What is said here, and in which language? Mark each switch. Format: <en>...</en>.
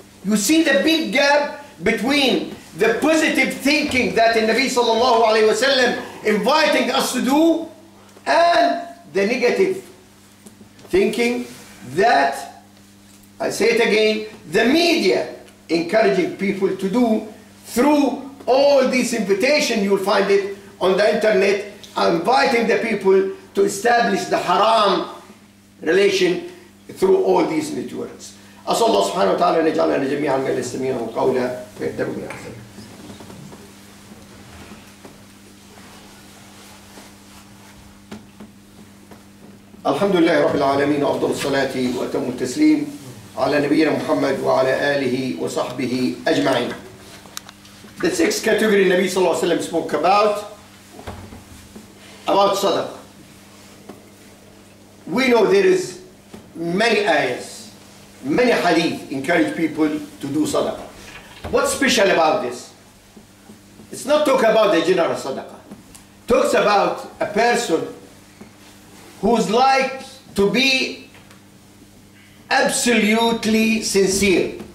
<en>You see the big gap between the positive thinking that the Nabi Sallallahu Alaihi Wasallam inviting us to do and the negative thinking that, I say it again, the media encouraging people to do through all these invitations, you'll find it on the internet, inviting the people to establish the haram relation through all these networks.</en> <ar>أسأل الله سبحانه وتعالى أن يجعلنا جميعا من المستمعين قولا ويتبعوا من أحسن. الحمد لله رب العالمين وأفضل الصلاة وأتم التسليم على نبينا محمد وعلى آله وصحبه أجمعين.</ar> <en>The sixth category</en> <ar>النبي صلى الله عليه وسلم</ar> <en>spoke about صدق. We know there is many ayahs, many hadith encourage people to do صدق. What's special about this? It's not talk about the general صدق. Talks about a person who's like to be absolutely sincere.</en>